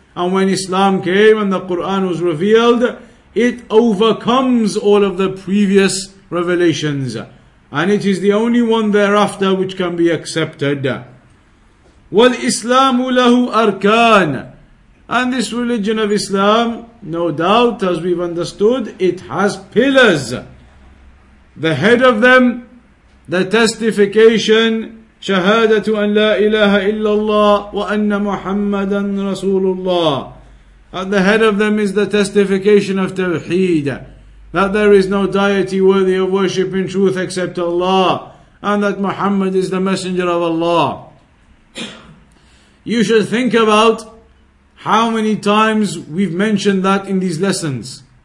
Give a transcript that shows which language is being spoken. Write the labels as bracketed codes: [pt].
[en] And when Islam came and the Quran was revealed, it overcomes all of the previous revelations. And it is the only one thereafter which can be accepted. [ar] وَالْإِسْلَامُ لَهُ أَرْكَانَ. [en] And this religion of Islam, no doubt, as we've understood, it has pillars. The head of them, the testification, [ar] شهادة أن لا إله إلا الله وأن محمدا رسول الله. [en] At the head of them is the testification of Tawheed, that there is no deity worthy of worship in truth except Allah, and that Muhammad is the messenger of Allah. You should think about how many times we've mentioned that in these lessons.